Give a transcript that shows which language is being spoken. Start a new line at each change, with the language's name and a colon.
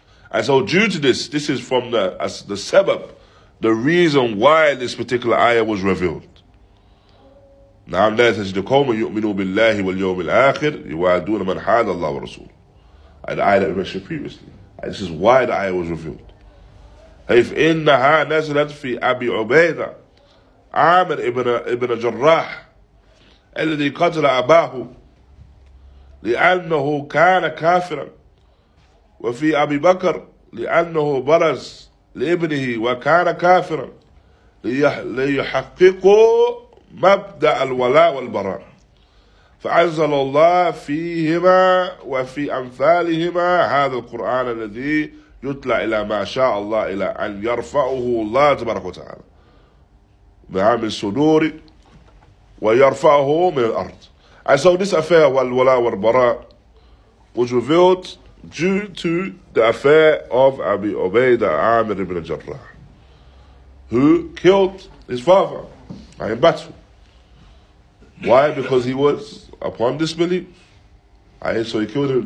English: And so due to this, this is from the sabab, the reason why this particular ayah was revealed.
Arabic: نَعَمْ لَا تَجْدُ قَوْمًا يُؤْمِنُوا بِاللَّهِ وَالْيَوْمِ الْآخِرِ يُوَعَدُونَ مَنْ حَادَ اللَّهُ وَرَسُولُ.
English: The ayah that we mentioned previously. And this is why the ayah was revealed.
Arabic: هَيْفْ إِنَّهَا نَزَلَتْ فِي أَبِي عُبَيْدَ عَامِرْ إِبْنَ جَرَّاحِ الَّذِي قَتْلَ أَبَاهُ لِأَنَّهُ كَانَ كَافِرًا وفي أبي بكر لأنه برز لابنه وكان كافرا ليحققوا مبدأ الولاء والبراء فأنزل الله فيهما وفي أمثالهما هذا القرآن الذي يتلى إلى ما شاء الله إلى أن يرفعه الله تبارك وتعالى من صدور ويرفعه من الأرض.
English: And so this affair والولاء والبراء which revealed due to the affair of Abi Ubaida Amir ibn Jarrah, who killed his father in battle. Why? Because he was upon disbelief. So he killed him.